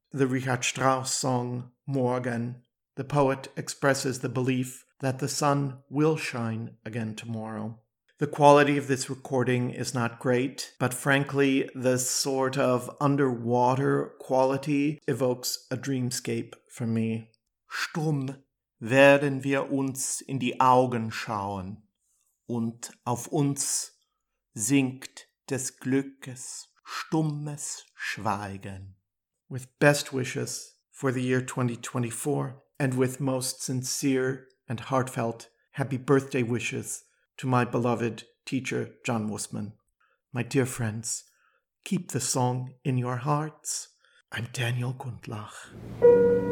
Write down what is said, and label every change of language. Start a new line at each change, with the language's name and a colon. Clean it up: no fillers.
English: The Richard Strauss song, Morgen, the poet expresses the belief that the sun will shine again tomorrow. The quality of this recording is not great, but frankly, the sort of underwater quality evokes a dreamscape for me.
German: Stumm werden wir uns in die Augen schauen, und auf uns sinkt des Glückes stummes Schweigen.
English: With best wishes for the year 2024, and with most sincere and heartfelt happy birthday wishes to my beloved teacher, John Wustman. My dear friends, keep the song in your hearts. I'm Daniel Gundlach.